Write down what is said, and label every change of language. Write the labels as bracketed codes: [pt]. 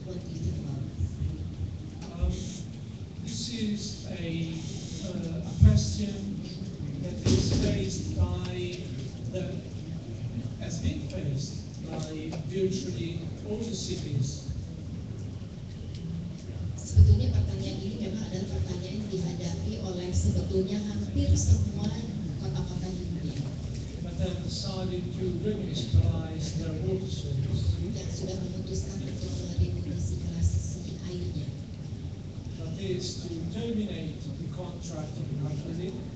[en] What do you think about this? This is a question that is faced by the, has been faced by virtually all the cities. [id] Sebetulnya pertanyaan ini memang adalah pertanyaan yang dihadapi oleh sebetulnya hampir semua kota-kota di dunia. [en] But they decided to remunicipalize their water service. [id] Yang sudah memutuskan untuk remunicipalize airnya. [en] That is to terminate the contract of the company.